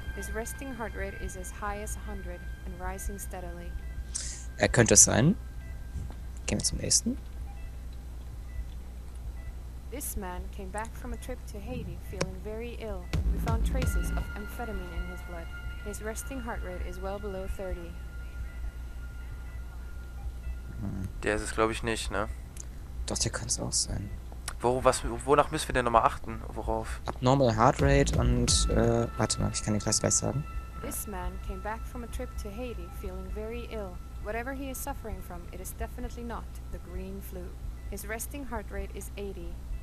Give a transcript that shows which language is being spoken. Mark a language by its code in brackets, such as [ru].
[en] His resting heart rate is as high as 100 and rising steadily. [de] Er könnte es sein. Gehen wir zum nächsten. [en] This man came back from a trip to Haiti feeling very ill. We found traces of amphetamine in his blood. His resting heart rate is well below 30. [de] Der ist es, glaube ich, nicht, ne? Doch, der könnte es auch sein. Wonach müssen wir denn nochmal achten? Worauf? Abnormal Heart Rate und, warte mal, ich kann dir gleich was sagen. [en] This man came back from a trip to Haiti feeling very ill. Whatever he is suffering from, it is definitely not the green flu. His resting heart rate is 80.